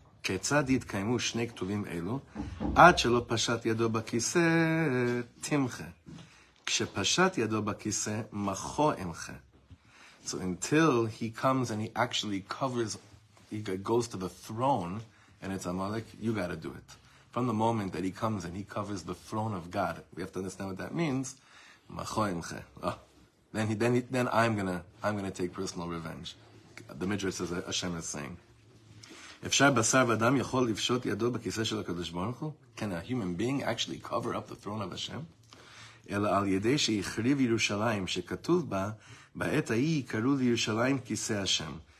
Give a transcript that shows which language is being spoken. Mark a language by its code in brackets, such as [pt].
[he] כיצד יתקיימו שני כתובים אלו, עד שלא פשט ידו בכיסא, תמחה. כשפשט ידו בכיסא, מחו אמחה. [en] So until he comes and he actually covers, he goes to the throne, and it's Amalek, you gotta do it. From the moment that he comes and he covers the throne of God, we have to understand what that means, [he] מחו אמחה. [en] Oh. Then I'm gonna take personal revenge. The Midrash says, Hashem is saying, [he] אפשר בשר ואדם יכול לפשוט ידו בכיסא של הקדוש ברוך הוא? [en] Can a human being actually cover up the throne of Hashem? [he] אלא על ידי שיחריב ירושלים שכתוב בה, בעת ההיא יקראו לירושלים כיסא השם.